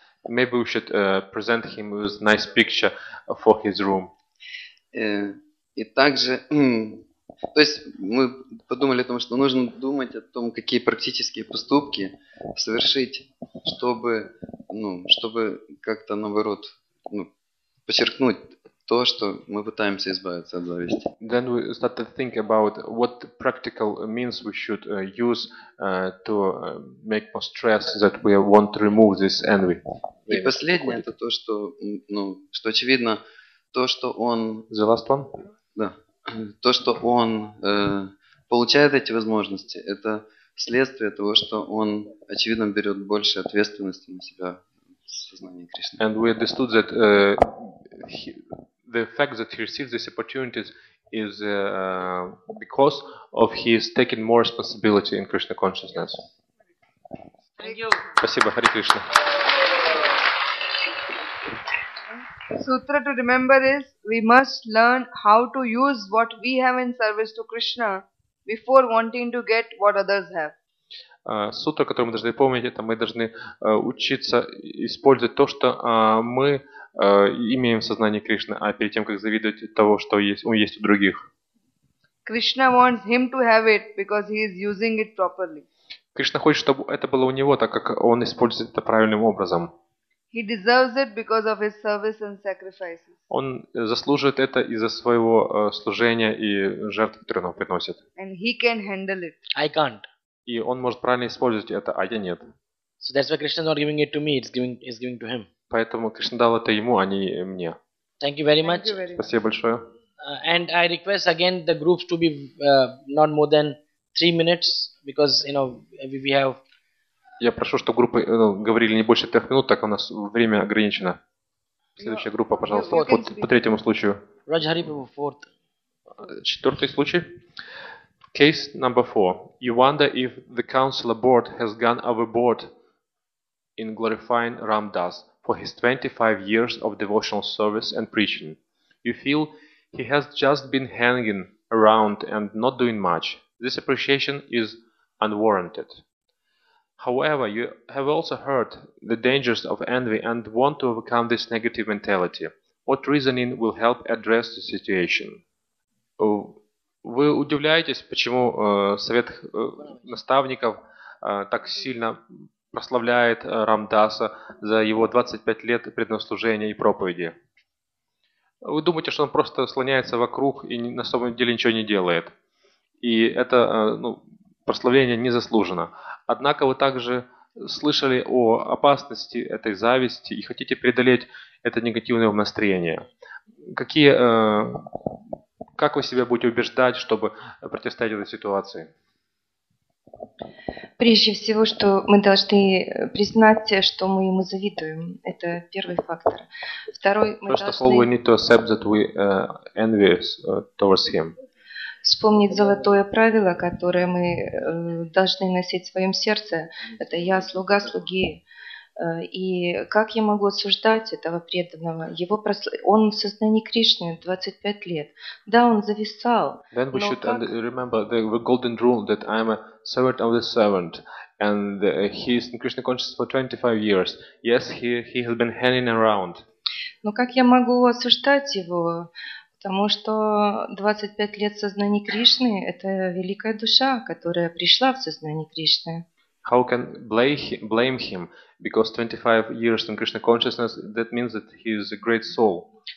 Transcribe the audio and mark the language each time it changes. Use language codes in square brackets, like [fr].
[en] Maybe we should present him with nice picture for his room. [ru] И также. То есть мы подумали о том, что нужно думать о том, какие практические поступки совершить, чтобы, ну, чтобы как-то наоборот, ну, подчеркнуть то, что мы пытаемся избавиться от зависти. [en] Then we started to think about what practical means we should use to make more stress that we want to remove this envy. [ru] И последнее это то, что, ну, что очевидно, то, что он. [en] The last one? [ru] Да. То, что он получает эти возможности, это следствие того, что он, очевидно, берет больше ответственности на себя в сознании Кришны. [en] And we understood that the fact that he receives these opportunities is because of his taking more responsibility in Krishna consciousness. Thank you. [ru] Спасибо, Хари Кришна. [en] Sutra to remember is we must learn how to use what we have in service to Krishna before wanting to get what others have. [ru] Сутра, которую мы должны помнить, это мы должны учиться использовать то, что мы имеем в сознании Кришны, а перед тем, как завидовать того, что есть у других. [en] Krishna wants him to have it because he is using it properly. [ru] Кришна хочет, чтобы это было у него, так как он использует это правильным образом. [en] He deserves it because of his service and sacrifices. [ru] Он заслуживает это из-за своего служения и жертв, которые он приносит. [en] And he can handle it. I can't. [ru] И он может правильно использовать это, а я нет. [en] So that's why Krishna is not giving it to me, it's giving to him. [ru] Поэтому Кришна дал это ему, а не мне. [en] Thank you very much. [ru] Спасибо большое. [en] And I request again the groups to be not more than 3 minutes because you know we have. [ru] Я прошу, чтобы группы говорили не больше 3 минут, так у нас время ограничено. Следующая группа, пожалуйста, по третьему случаю. Раджхари Прабху, [en] fourth. [ru] Четвертый случай. [en] Case number 4. You wonder if the councillor board has gone overboard in glorifying Ram Das for his 25 years of devotional service and preaching. You feel he has just been hanging around and not doing much. This appreciation is unwarranted. However, you have also heard the dangers of envy and want to overcome this negative mentality. What reasoning will help address the situation? [ru] Вы удивляетесь, почему совет наставников так сильно прославляет Рам Даса за его 25 лет преднослужения и проповеди? Вы думаете, что он просто слоняется вокруг и на самом деле ничего не делает? И это прославление не заслужено. Однако вы также слышали о опасности этой зависти и хотите преодолеть это негативное настроение. Как вы себя будете убеждать, чтобы противостоять этой ситуации? Прежде всего, что мы должны признать, что мы ему завидуем. Это первый фактор. Второй, мы [en] First [ru] должны... [en] of all, we need to accept that we envious towards him. [ru] Вспомнить золотое правило, которое мы должны носить в своем сердце. Это «я слуга слуги». И как я могу осуждать этого преданного? Его он в сознании Кришны 25 лет. Да, он зависал. [en] Then we should remember the golden rule that I am a servant of the servant and he is in Krishna consciousness for 25 years. Yes, he has been hanging around. [ru] Но как я могу осуждать его? Потому что 25 лет в сознании Кришны – это великая душа, которая пришла в сознание Кришны. [en] How can blame him? Because 25 years in Krishna consciousness, that means that he is a great soul.